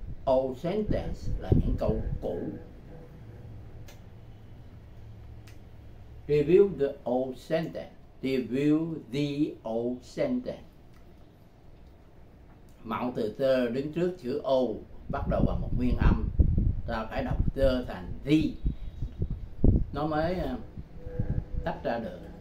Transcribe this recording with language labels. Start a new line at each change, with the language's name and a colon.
English: Old sentence
Vietnamese: là những câu cũ.
English: Review the old sentence. Review the old sentence.
Vietnamese: Mạo từ the đứng trước chữ old, bắt đầu bằng một nguyên âm, ta phải đọc the thành the, nó mới tách ra được.